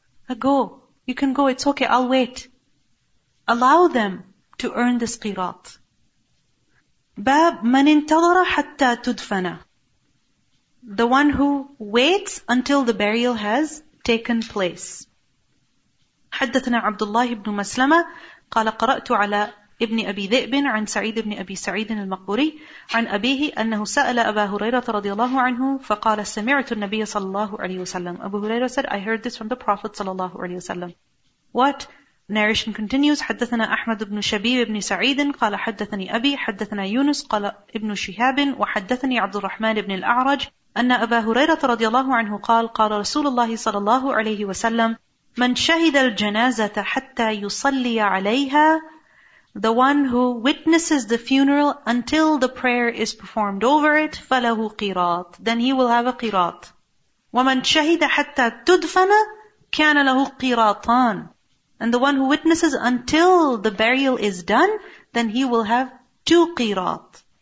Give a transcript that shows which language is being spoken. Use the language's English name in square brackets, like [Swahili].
[English] Go. You can go. It's okay. I'll wait. Allow them to earn this qirat. [Arabic] Bab man intadara hatta tudfana. [English] The one who waits until the burial has taken place. [Arabic] حدثنا عبد الله بن مسلمة قال قرأت على ابن أبي ذئب عن سعيد بن أبي سعيد المقبوري عن أبيه أنه سأل أبا هريرة رضي الله عنه فقال سمعت النبي صلى الله عليه وسلم. [English] Abu Huraira said, "I heard this from the Prophet صلى الله عليه وسلم." What? Narration continues. [Arabic] حدثنا أحمد بن شبيب بن سعيد قال حدثني أبي حدثنا يونس قال ابن شهاب وحدثني عبد الرحمن بن الأعرج أن أبا هريرة رضي الله عنه قال قال رسول الله صلى الله عليه وسلم من شهد الجنازة حتى يصلي عليها. [English] The one who witnesses the funeral until the prayer is performed over it, [Arabic] فَلَهُ قِرَاط. [English] Then he will have a qirat. [Arabic] وَمَنْ شَهِدَ حَتَّى تُدْفَنَ كَانَ لَهُ قِرَاطًا. [English] And the one who witnesses until the burial is done, then he will have two qirat.